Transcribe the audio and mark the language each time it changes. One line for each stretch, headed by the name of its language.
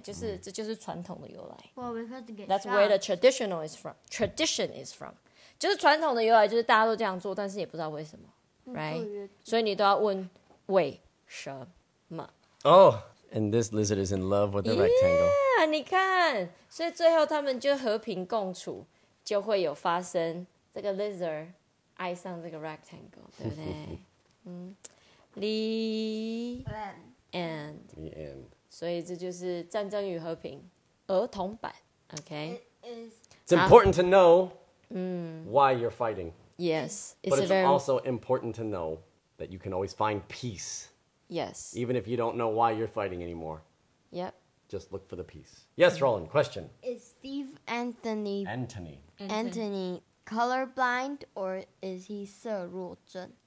Chinese: 就是这就是传统的由来。
English: Well, we've had to get That's shot. Where the traditional is from. Tradition is from.
Chinese: 就是传统的由来就是大家都这样做但是也不知道为什么。
English: Right?
Chinese: 所以你都要问为什么。
English: Oh! And this lizard is in love with the rectangle.
Chinese: Yeah, 你看，所以最后他们就和平共处，就会有发生这个 lizard 爱上这个 rectangle， 对不对？
English: The end. The end.
Chinese: 所以这就是《战争与和平》儿童版 ，OK？
English: It's important to know why you're fighting. Yes, it's also important to know that you can always find peace. Yes. Even if you don't know why you're fighting anymore. Yep. Just look for the peace. Yes, Roland, question. Is Steve Anthony... Anthony. Anthony colorblind or is he 色弱症?